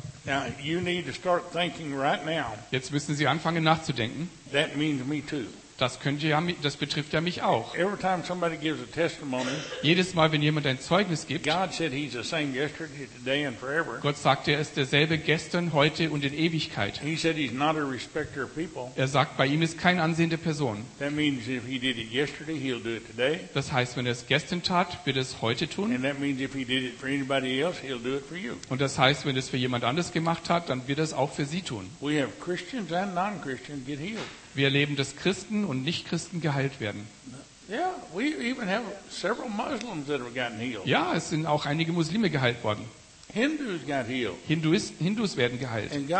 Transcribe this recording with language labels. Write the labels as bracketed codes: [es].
[en] Now you need to start thinking right now. [de] Jetzt müssen Sie anfangen nachzudenken. [en] That means me too. [de] Das betrifft ja mich auch. [en] Every time somebody gives a testimony, [de] jedes Mal, wenn jemand ein Zeugnis gibt, [en] God said he's the same yesterday, today and forever. [de] Gott sagt, er ist derselbe gestern, heute und in Ewigkeit. [en] He said he's not a respecter of people. [de] Er sagt, bei ihm ist kein Ansehen der Person. [en] That means if he did it yesterday, he'll do it today. [de] Das heißt, wenn er es gestern tat, wird er es heute tun. [en] And that means if he did it for anybody else, he'll do it for you. [de] Und das heißt, wenn er es für jemand anders gemacht hat, dann wird er es auch für sie tun. [en] We have Christians and non-Christians get healed. [de] Wir erleben, dass Christen und Nicht-Christen geheilt werden. Ja, es sind auch einige Muslime geheilt worden. Hindus werden geheilt.